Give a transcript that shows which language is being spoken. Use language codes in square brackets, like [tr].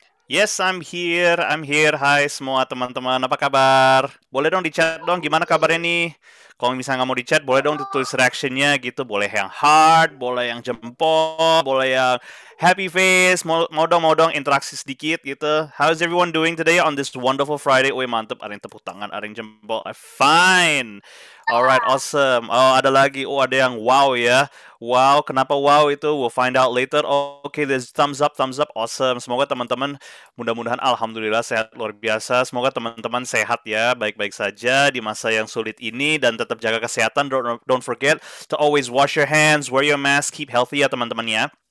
[en] Yes, I'm here. [id] Hai semua teman-teman, apa kabar? Boleh dong di chat dong, gimana kabarnya nih? Kalau misalnya nggak mau di chat, boleh dong ditulis reaction-nya gitu. Boleh yang heart, boleh yang jempol, boleh yang happy face. Mau dong interaksi sedikit gitu. [en] How's everyone doing today on this wonderful Friday? [id] Wih, mantep, ada yang tepuk tangan, ada yang jempol. [en] Fine. Alright, awesome. [id] Oh, ada lagi. Oh, ada yang wow ya. Wow, kenapa wow itu? [en] We'll find out later. Oh, okay, there's thumbs up. Awesome. [id] Semoga teman-teman, mudah-mudahan, alhamdulillah, sehat luar biasa. Semoga teman-teman sehat ya, baik-baik saja di masa yang sulit ini. Dan tetap jaga kesehatan. [en] Don't forget to always wash your hands, wear your mask, keep healthy [id] ya, teman-teman ya.